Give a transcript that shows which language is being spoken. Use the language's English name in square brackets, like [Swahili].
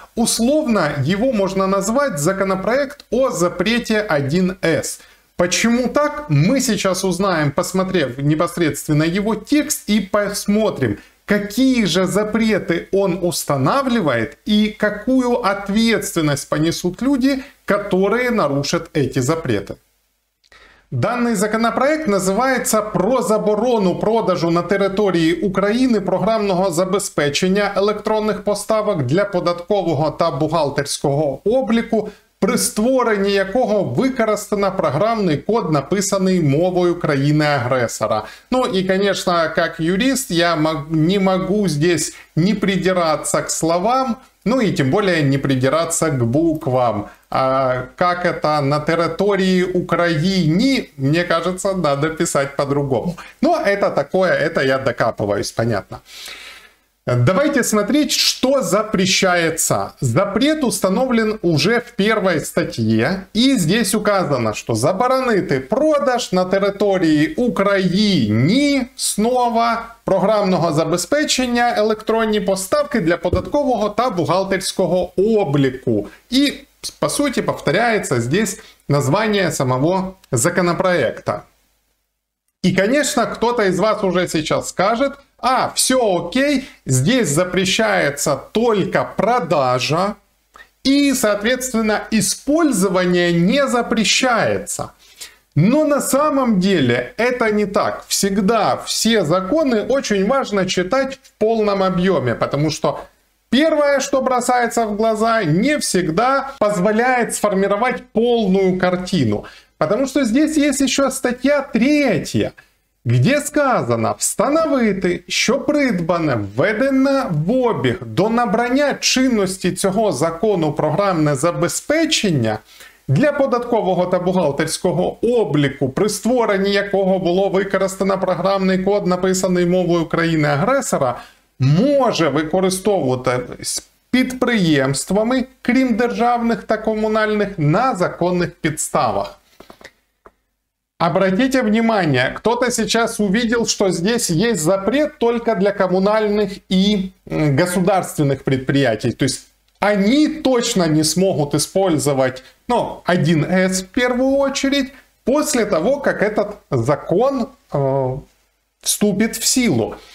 [Russian] Условно его можно назвать законопроект о запрете 1С. Почему так? Мы сейчас узнаем, посмотрев непосредственно его текст, и посмотрим, какие же запреты он устанавливает и какую ответственность понесут люди, которые нарушат эти запреты. Данный законопроект называется [Ukrainian] «Про заборону продажу на території України програмного забезпечення електронних поставок для податкового та бухгалтерського обліку, при створенні якого використано програмний код, написаний мовою країни-агресора». Ну і, звісно, як юрист, я не можу [Russian] здесь не придираться к словам, ну и тем более не придираться к буквам. А как это на территории Украины, мне кажется, надо писать по-другому. Но это такое, это я докапываюсь, понятно. Давайте смотреть, что запрещается. Запрет установлен уже в первой статье. И здесь указано, что [Ukrainian] заборонити продаж на території України снова програмного забезпечення електронні поставки для податкового та бухгалтерського обліку. І, по суті, повторяється [Russian] здесь название самого законопроекта. И, конечно, кто-то из вас уже сейчас скажет: а, все окей, здесь запрещается только продажа и, соответственно, использование не запрещается. Но на самом деле это не так. Всегда все законы очень важно читать в полном объеме, потому что первое, что бросается в глаза, не всегда позволяет сформировать полную картину. Потому что здесь есть еще статья третья, где сказано: [Ukrainian] встановити, що придбане, введено в обіг до набрання чинності цього закону програмне забезпечення для податкового та бухгалтерського обліку, при створенні якого було використано програмний код, написаний мовою країни-агресора, може використовуватись підприємствами, крім державних та комунальних, на законних підставах. [Russian] Обратите внимание, кто-то сейчас увидел, что здесь есть запрет только для коммунальных и государственных предприятий. То есть они точно не смогут использовать, ну, 1С в первую очередь, после того, как этот закон вступит в силу.